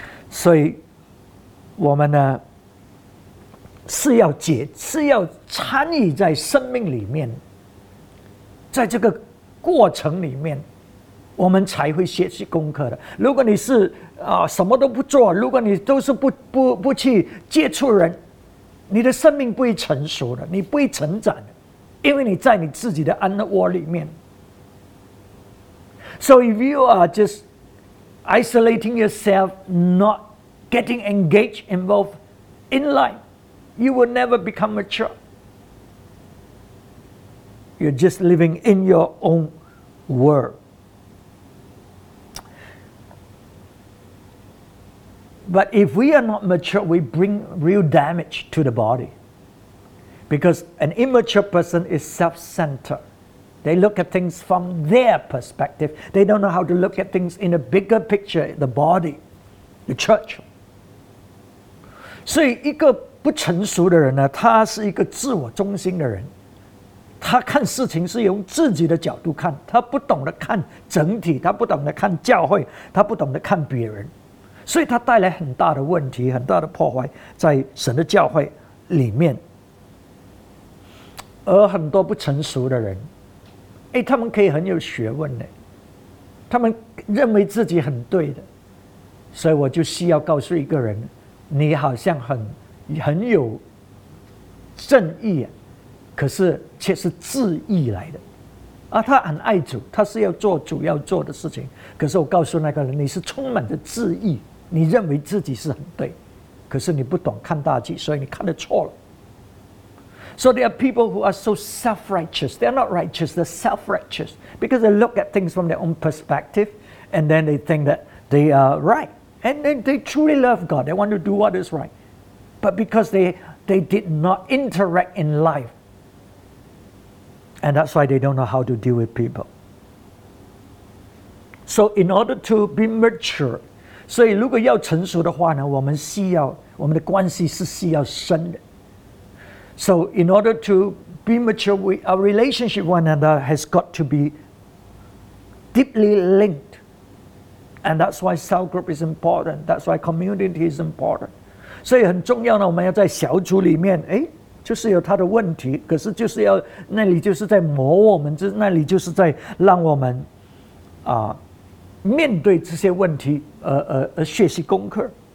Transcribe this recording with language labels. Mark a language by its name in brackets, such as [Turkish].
[Chinese] 所以我们呢是要参与在生命里面，在这个过程里面我们才会学习功课的。如果你是什么都不做，如果你都是不去接触人，你的生命不会成熟的，你不会成长的，因为你在你自己的安乐窝里面。 [English] So if you are just isolating yourself, not getting engaged, involved in life, you will never become mature. You're just living in your own world. But if we are not mature, we bring real damage to the body. Because an immature person is self-centered. They look at things from their perspective. They don't know how to look at things in a bigger picture, the body, the church. [Chinese] 所以一个不成熟的人呢，他是一个自我中心的人。他看事情是用自己的角度看，他不懂得看整体，他不懂得看教会，他不懂得看别人。所以它带来很大的问题，很大的破坏在神的教会里面。而很多不成熟的人，他们可以很有学问，他们认为自己很对的。所以我就需要告诉一个人，你好像很有正义，可是却是自义来的。他很爱主，他是要做主要做的事情，可是我告诉那个人，你是充满着自义，你认为自己是很对，可是你不懂看大局，所以你看得错了。 [English] So there are people who are so self-righteous. They are not righteous, they're self-righteous. Because they look at things from their own perspective, and then they think that they are right. And then they truly love God. They want to do what is right. But because they did not interact in life. And that's why they don't know how to deal with people. So in order to be mature, [Chinese] 所以如果要成熟的话呢，我们需要，我们的关系是需要深的。 [English] So in order to be mature, our relationship with one another has got to be deeply linked. And that's why cell group is important. That's why community is important. [Chinese] 所以很重要呢，我们要在小组里面，就是有他的问题，可是就是要，那里就是在磨我们，那里就是在让我们面对这些问题而学习功课。